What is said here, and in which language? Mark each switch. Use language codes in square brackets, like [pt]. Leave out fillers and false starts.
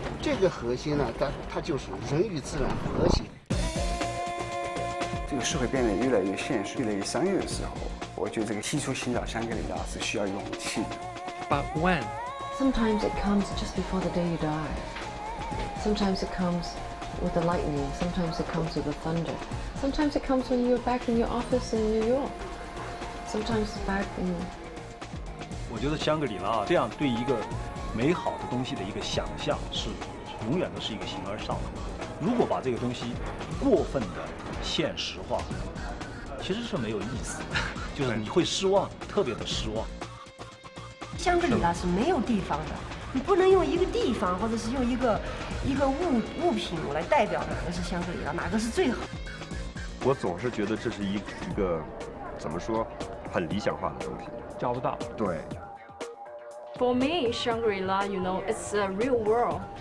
[zh] 这个核心呢，它就是人与自然和谐。这个社会变得越来越现实，越来越商业的时候，我觉得这个提出寻找香格里拉是需要勇气的。 [en] But when? Sometimes it comes just before the day you die. Sometimes it comes. With the lightning, sometimes it comes with the thunder. Sometimes it comes when you're back in your office in New York. Sometimes back in. [zh] 我觉得香格里拉这样对一个美好的东西的一个想象是永远都是一个形而上的。如果把这个东西过分的现实化，其实是没有意思的，就是你会失望，特别的失望。香格里拉是没有地方的。你不能用一个地方或者是用一个物品来代表哪个是香格里拉，哪个是最好。我总是觉得这是一个怎么说很理想化的东西，找不到。对。 [en] For me, Shangri-La, you know, it's a real world.